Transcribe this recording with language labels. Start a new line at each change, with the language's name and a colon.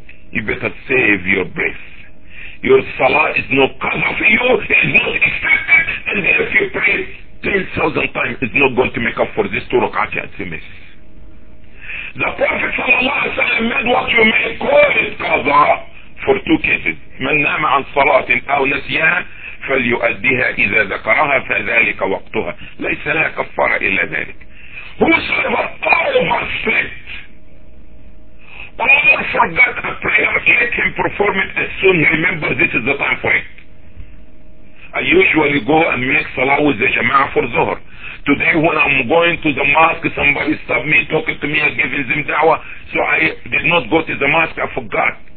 English: You better save your breath. Your salah is not qada for you, it's not expected, and if you pray 10,000 times, it's not going to make up for this 2 rak'at at the mess. The Prophet sallallahu alaihi wasallam made what you may call it qada for two cases.
Arabic: من نام عن صلاة أو نسيها فليؤديها إذا ذكرها فذلك وقتها ليس لها كفارة إلا ذلك.
English: Whosoever overslept or forgot a prayer, let him perform it as soon as he remembers this is the time for it. I usually go and make salah with the jama'ah for Zuhr. Today when I'm going to the mosque, somebody stopped me, talking to me and giving them da'wah, so I did not go to the mosque, I forgot.